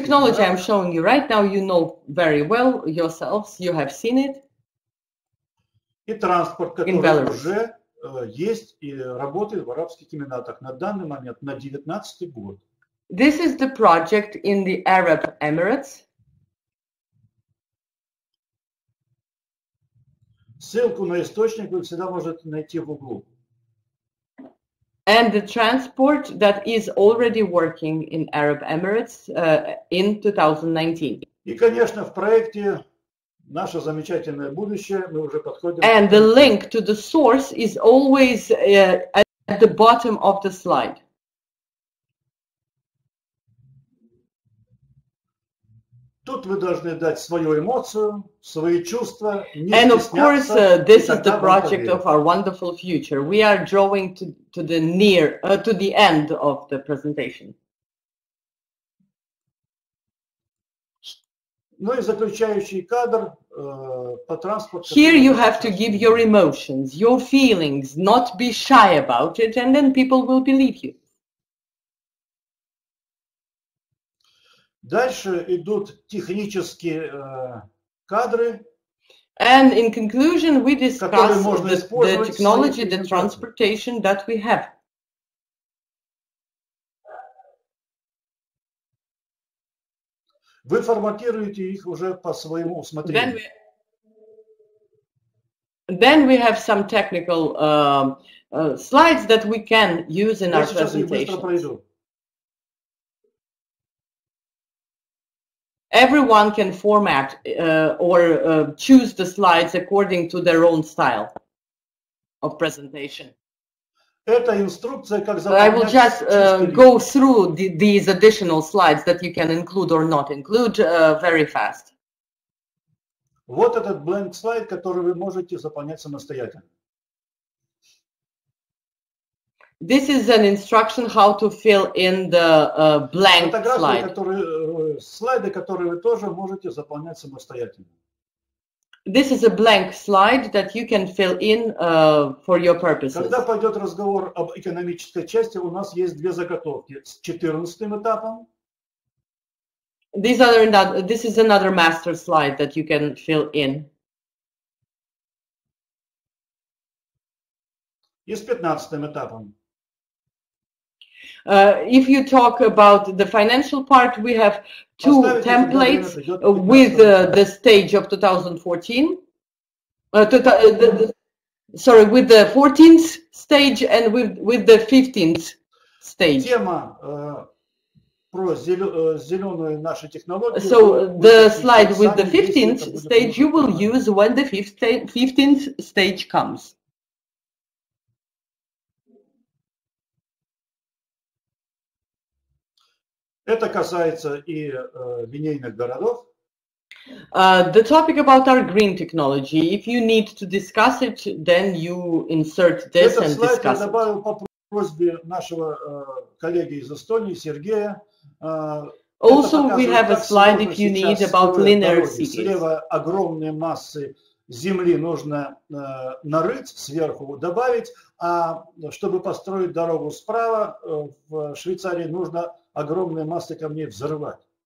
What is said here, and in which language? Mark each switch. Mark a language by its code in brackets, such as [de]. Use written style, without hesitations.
[en] The technology I'm showing you right now, you know very well yourselves, you have seen it. [ru] И транспорт, который уже есть и работает в арабских эмиратах на данный момент, на 19-й год. [en] This is the project in the Arab Emirates. [ru] Ссылку на источник вы всегда можете найти в углу. [en] And the transport that is already working in Arab Emirates in 2019. [ru] И, конечно, в проекте Наше замечательное будущее, мы уже подходим. [en] And the link to the source is always at the bottom of the slide. [ru] Тут вы должны дать свою эмоцию, свои чувства, не стесняться. [en] And of course, this is the project of our wonderful future. We are drawing to the near to the end of the presentation. [ru] Ну и заключающий кадр по транспорту. [en] Here you have to give your emotions, your feelings, not be shy about it, and then people will believe you. [ru] Дальше идут технические кадры. [en] And in conclusion, we discuss the technology, the transportation that we have. [ru] Вы форматируете их уже по своему усмотрению. [en] Then we have some technical slides that we can use in our presentation. Everyone can format or choose the slides according to their own style of presentation. [ru] Это инструкция, как заполнять. [en] I will just go through these additional slides that you can include or not include very fast. [ru] Вот этот [en] blank slide, [ru] который вы можете заполнять самостоятельно. [en] This is an instruction how to fill in the blank slide. [ru] Слайды, которые вы тоже можете заполнять самостоятельно. [en] This is a blank slide that you can fill in for your purposes. [ru] Когда пойдет разговор об экономической части, у нас есть две заготовки с 14-м этапом. [en] This is another master slide that you can fill in. [ru] И с 15-м этапом. [en] If you talk about the financial part, we have two templates with the stage of 2014. With the 14th stage and with the 15th stage. [ru] Тема про зеленую нашу технологию. [en] So the slide with the 15th stage you will use when the 15th stage comes. [ru] Это касается и линейных городов. [en] The topic about our green technology. If you need to discuss it, then you insert this and discuss it. [ru] Этот слайд я добавил по просьбе нашего коллеги из Эстонии, Сергея. [en] Also, we have a slide if you need about linear cities. [ru] Слева огромные массы земли нужно нарыть, сверху добавить, а чтобы построить дорогу справа в Швейцарии нужно огромные массы камней взрывать.